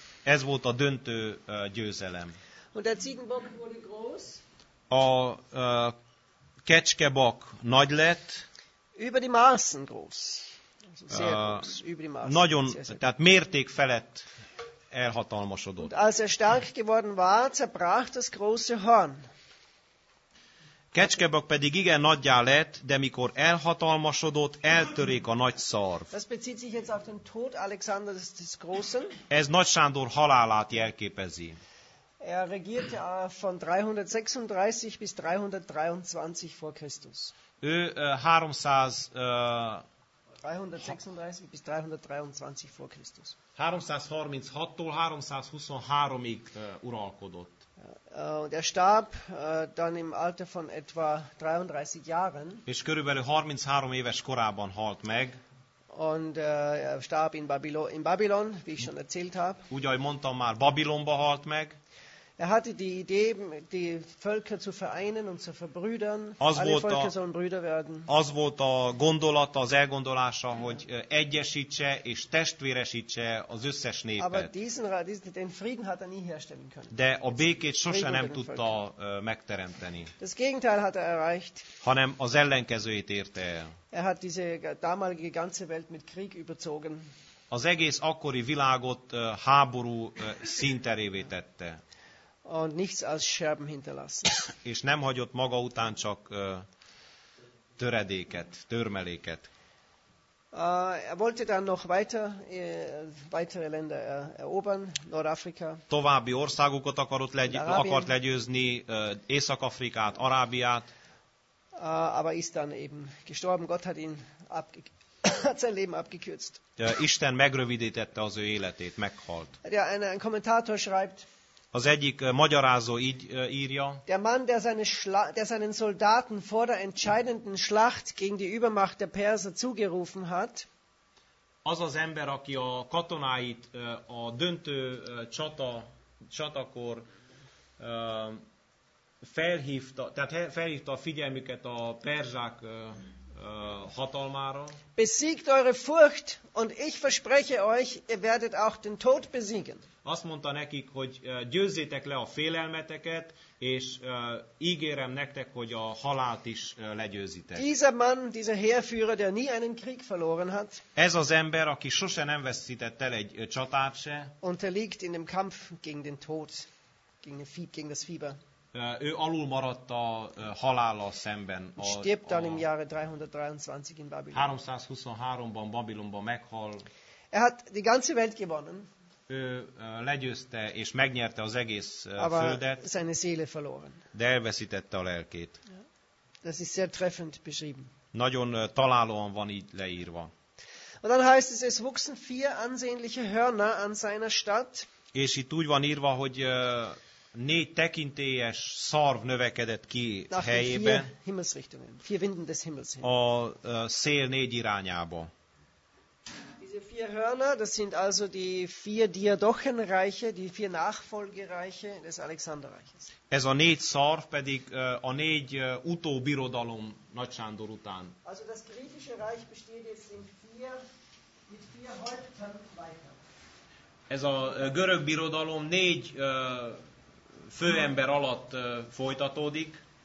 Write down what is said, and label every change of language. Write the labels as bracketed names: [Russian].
[Hungarian] Ez volt a döntő győzelem. [German] Und der Ziegenbock wurde groß. [Hungarian] A kecskebak nagy lett. [German] Über die Maßen groß. Sehr groß. Über die Maßen. [Hungarian] Nagyon, tehát mérték felett elhatalmasodott. [German] Und als er stark geworden war, zerbrach das große Horn. [Hungarian] Kecskebak pedig igen nagyjá lett, de mikor elhatalmasodott, eltörék a nagy szarv. [German] Das bezieht sich jetzt auf den Tod Alexanders des Großen. [Hungarian] Ez Nagy Sándor halálát jelképezi. [German] Er regierte von 336 bis 323 vor Christus. [Hungarian] Ő 336-tól 323-ig uralkodott. [German] Und er starb dann im Alter von etwa 33 Jahren. [Hungarian] És körülbelül 33 éves korában halt meg. [German] Und er starb in Babylon, wie ich schon erzählt habe. [Hungarian] Úgy, ahogy mondtam már, Babilonba halt meg. [German] Er hatte die Idee, die Völker zu vereinen und zu verbrüdern. Az alle Völker sollen Brüder werden. [Hungarian] Az volt a gondolata, az elgondolása, hogy egyesítse és testvéresítse az összes népet. [German] Aber den Frieden hat er nie herstellen können. [Hungarian] De a békét sose nem tudta megteremteni. [German] Das Gegenteil hat er erreicht. [Hungarian] Hanem az ellenkezőjét érte el. [German] Er hat diese damalige ganze Welt mit Krieg überzogen. [Hungarian] Az egész akkori világot háború színterévé tette. [German] Und nichts als Scherben hinterlassen. [Hungarian] És nem hagyott maga után csak töredéket, törmeléket. [German] Er wollte dann noch weitere Länder erobern, Nordafrika. [Hungarian] További országokat akart legyőzni, Észak-Afrikát, Arábiát. [German] Aber ist dann eben gestorben. Gott hat ihn hat sein Leben abgekürzt. [Hungarian] Isten megrövidítette az ő életét, meghalt. [German] Ja, ein Kommentator schreibt. [Hungarian] Az egyik magyarázó így írja. [German] Der Mann, der seinen Soldaten vor der entscheidenden Schlacht gegen die Übermacht der Perser zugerufen hat. [Hungarian] Az az ember, aki a katonáit a döntő csatakor felhívta a figyelmüket a perzsák hatalmára. [German] Besiegt eure Furcht, und ich verspreche euch, ihr werdet auch den Tod besiegen. [Hungarian] Azt mondta nekik, hogy győzzétek le a félelmeteket, és ígérem nektek, hogy a halált is legyőzitek. [German] Dieser Mann, dieser Heerführer, der nie einen Krieg verloren hat. [Hungarian] Ez az ember, aki sose nem veszített el egy csatát se. [German] Unterliegt in dem Kampf gegen den Tod, gegen das Fieber. [Hungarian] Ő alul maradt a halállal szemben. [German] Stirbt dann im Jahre 323 in Babylon. [Hungarian] 323-ban Babilonban meghal. [German] Er hat die ganze Welt gewonnen. [Hungarian] Ő legyőzte és megnyerte az egész földet, [German] seine Seele verloren. [Hungarian] De elveszítette a lelkét. [German] Ja. Das ist sehr treffend beschrieben. [Hungarian] Nagyon találóan van így leírva. [German] Und dann heißt es, es wuchsen vier ansehnliche Hörner an seiner Stadt. [Hungarian] És itt úgy van írva, hogy négy tekintélyes szarv növekedett ki [German] nach [Hungarian] helyében. [German] Vier Himmelsrichtungen, vier Winden des Himmels. [Hungarian] A szél négy irányába. [German] Die vier Hörner, das sind also die vier Diadochenreiche, die vier Nachfolgereiche des Alexanderreiches. [Hungarian] Ez a négy szarv pedig a négy utóbirodalom Nagy Sándor után. [German] Also das griechische Reich besteht jetzt mit vier Häuptern weiter. [Hungarian] Ez a görög birodalom négy főember alatt folytatódik.